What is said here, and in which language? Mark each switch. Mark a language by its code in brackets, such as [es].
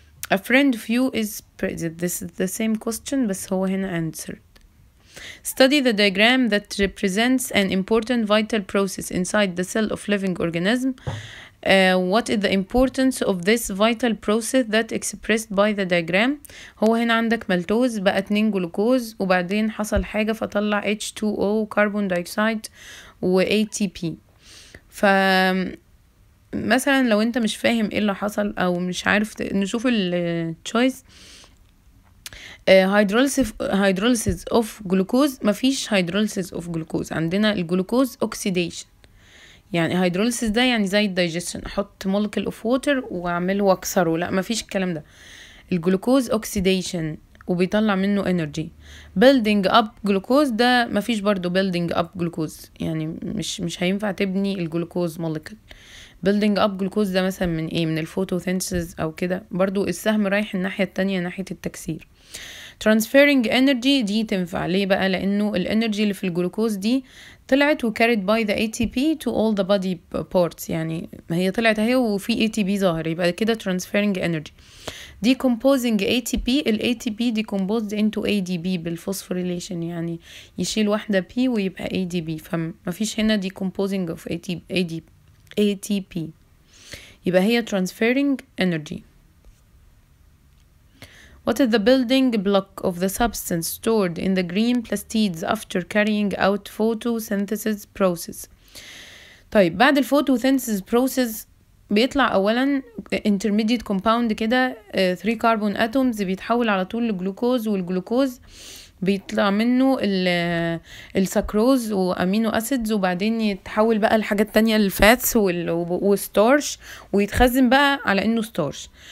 [en] A friend of you is present, this is the same question [ar] بس هو هنا [en] answered. Study the diagram that represents an important vital process inside the cell of living organism. What is the importance of this vital process that expressed by the diagram? [ar] هو هنا عندك ملتوز بقى 2 جلوكوز وبعدين حصل حاجة فطلع H2O carbon dioxide و ATP. ف مثلا لو انت مش فاهم ايه اللي حصل او مش عارف نشوف الشويس. [en] Hydrolysis of glucose, مفيش hydrolysis of glucose, عندنا الجلوكوز oxidation. [ar] يعني hydrolysis ده يعني زي digestion, احط molecule of water واعمله واكسره, لا مفيش الكلام ده. الجلوكوز oxidation وبيطلع منه energy. building up glucose ده مفيش برضو building up glucose, يعني مش هينفع تبني الجلوكوز molecule. building up glucose ده مثلا من ايه, من الفوتوثينسيس او كده, برضو السهم رايح الناحية التانية ناحية التكسير. transferring energy دي تنفع ليه بقى, لانه الانرجي اللي في الجلوكوز دي طلعت و [en] carried by the ATP to all the body parts, [ar] يعني هي طلعت اهي وفي ATP ظاهر يبقى كده transferring energy. decomposing ATP, ال ATP decomposed into ADP بالphosphorylation, يعني يشيل واحدة P ويبقى ADP, فما فيش هنا decomposing of ATP يبقى هي transferring energy. [en] What is the building block of the substance stored in the green plastids after carrying out photosynthesis process? [ar] طيب بعد الphotosynthesis process بيطلع اولا intermediate compound كده 3 carbon atoms بيتحول على طول لجلوكوز, والجلوكوز بيطلع منه السكروز وامينو اسيدز, وبعدين يتحول بقى لحاجات تانية الفاتس والستورش ويتخزن بقى على انه ستورش.